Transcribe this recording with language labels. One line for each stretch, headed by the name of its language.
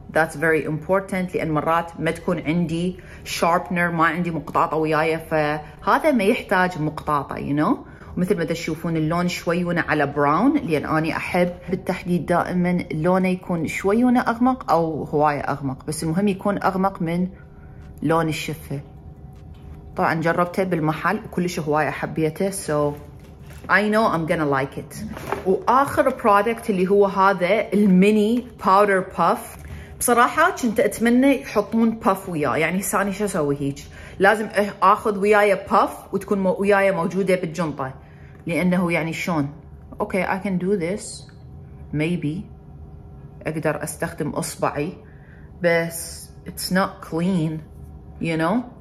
English: That's very important،
Arabic: لأن مرات ما تكون عندي شاربنر، ما عندي مقطاطة وياي، فهذا ما يحتاج مقطاطة،
English: you know.
Arabic: ومثل ما تشوفون اللون شويونة على براون، لأن أنا أحب بالتحديد دائما لونه يكون شويونة أغمق أو هواية أغمق، بس المهم يكون أغمق من لون الشفة. طبعا جربته بالمحل وكلش هواية حبيته،
English: so I know I'm gonna like it.
Arabic: وآخر برودكت اللي هو هذا الميني باودر بوف، بصراحة كنت أتمنى يحطون بوف وياه، يعني ثاني شو أسوي هيك؟ لازم آخذ وياي بوف وتكون وياي موجودة بالجنطة، لأنه يعني شلون؟ أوكي
English: I can do this maybe،
Arabic: أقدر أستخدم إصبعي، بس
English: it's not clean you know.